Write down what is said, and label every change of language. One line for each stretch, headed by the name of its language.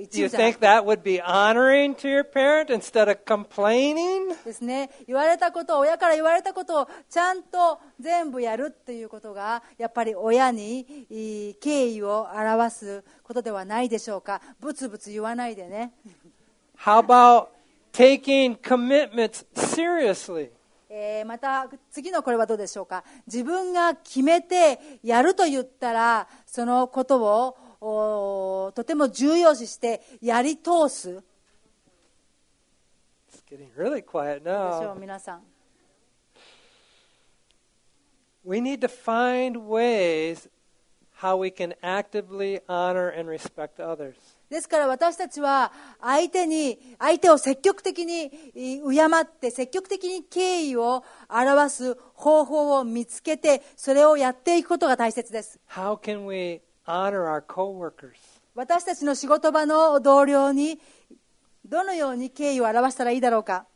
Japanese: 一部じゃない。
English: You think that would be honoring to your parent instead of complaining?
Japanese: ですね。言われたことを、親から言われたことをちゃんと全部やるっていうことが、やっぱり親に敬意を表すことではないでしょうか。ブツブツ言わないでね。
English: How about taking commitments seriously?
Japanese: また次のこれはどうでしょうか。自分が決めてやると言ったらそのことをとても重要視してやり通す。
English: It's getting really quiet now.
Japanese: でしょう、皆さん。
English: We need to find ways how we can actively honor and respect others.
Japanese: ですから私たちは相手を積極的に敬って積極的に敬意を表す方法を見つけてそれをやっていくことが大切です。
English: How can we honor our coworkers?
Japanese: 私たちの仕事場の同僚にどのように敬意を表したらいいだろうか。